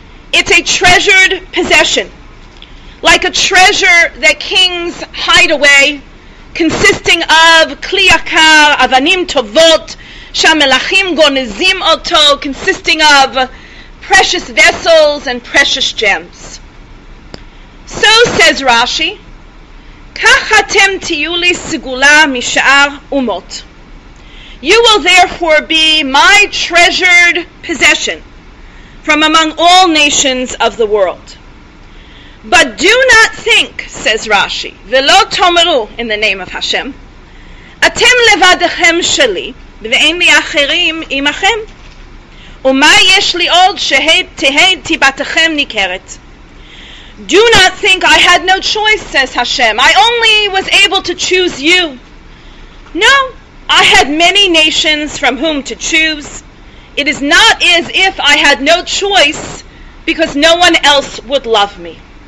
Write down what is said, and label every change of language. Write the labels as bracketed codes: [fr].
[en] It's a treasured possession, like a treasure that kings hide away, consisting of [he] kli yakar, avanim tovot, שהמלאכים גונזים אותו, [en] consisting of precious vessels and precious gems. So says Rashi, [he] כך אתם תהיו לי סגולה משאר אומות. [en] You will therefore be my treasured possession from among all nations of the world. But do not think, says Rashi, [he] ולא תאמרו, [en] in the name of Hashem, [he] אתם לבדכם שלי, ואין לי אחרים עמכם. ומה יש לי עוד שתהייתי בתכם ניכרת? [en] Do not think I had no choice, says Hashem. I only was able to choose you. No, I had many nations from whom to choose. It is not as if I had no choice because no one else would love me.